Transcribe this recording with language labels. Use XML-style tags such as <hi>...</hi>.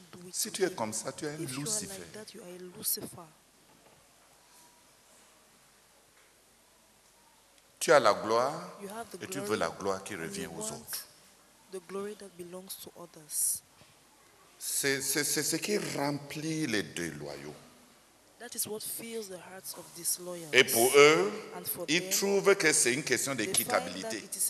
<fr>Si tu es comme ça, tu es un Lucifer. Tu as la gloire et tu veux la gloire qui revient aux autres. C'est ce qui remplit les déloyaux.</fr> <en>That is what fills the hearts of disloyal.</en> <fr>Et pour eux, ils trouvent que c'est une question d'équitabilité.</fr>